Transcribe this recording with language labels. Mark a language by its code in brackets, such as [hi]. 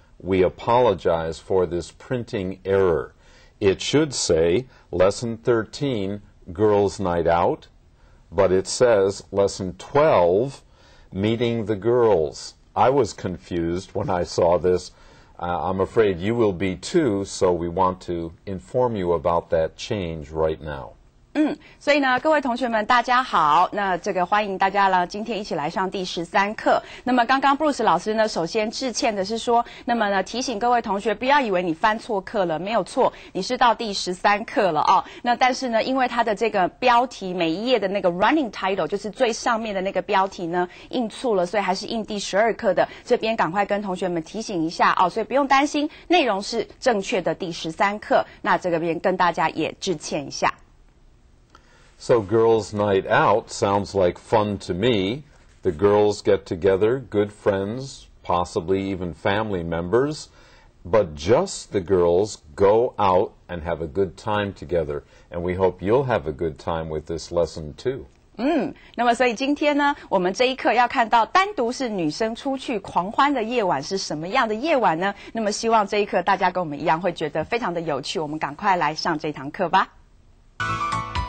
[en] We apologize for this printing error. It should say lesson 13, Girls' Night Out, but it says lesson 12, Meeting the Girls. I was confused when I saw this. I'm afraid you will be too, so we want to inform you about that change right now. [zh] 嗯，所以呢，各位同学们，大家好。那这个欢迎大家呢，今天一起来上第十三课。那么刚刚 Bruce 老师呢，首先致歉的是说，那么呢，提醒各位同学不要以为你翻错课了，没有错，你是到第十三课了哦。那但是呢，因为它的这个标题每一页的那个 running title 就是最上面的那个标题呢印错了，所以还是印第十二课的。这边赶快跟同学们提醒一下哦，所以不用担心，内容是正确的第十三课。那这个边跟大家也致歉一下。 [en] So girls' night out sounds like fun to me. The girls get together, good friends, possibly even family members, but just the girls go out and have a good time together. And we hope you'll have a good time with this lesson too. [zh] 嗯，那么所以今天呢，我们这一课要看到单独是女生出去狂欢的夜晚是什么样的夜晚呢？那么希望这一课大家跟我们一样会觉得非常的有趣。我们赶快来上这堂课吧。